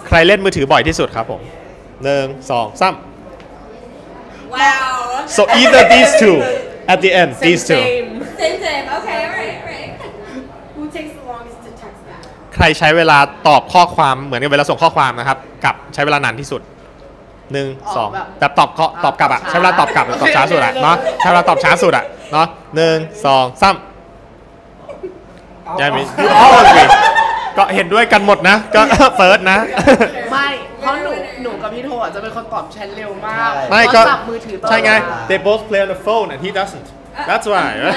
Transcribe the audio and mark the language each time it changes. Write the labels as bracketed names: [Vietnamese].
[Thai] ใครเล่นมือถือบ่อยที่สุดครับผม1 2 3 [English] Wow So either these two, at the end, these two. Same. Okay, all right. Who takes the longest to text back? [Thai] ใครใช้เวลาตอบข้อความเหมือนกับเวลาส่งข้อความนะครับกับใช้เวลานานที่สุด1 2แบบตอบกลับอ่ะใช้เวลาตอบกลับตอบช้าสุดอ่ะเนาะใช้เวลาตอบช้าสุดอ่ะเนาะ1 2 3 [English] Yeah, mean you all agree. [Thai] ก็เห็นด้วยกันหมดนะก็เฟิร์สนะ ไม่เพราะหนูกับพี่โทอ่ะจะเป็นคนตอบแชทเร็วมาก เพรา ะจับมือถือตลอด ใช่ไง [English] they both play on the phone and he doesn't that's why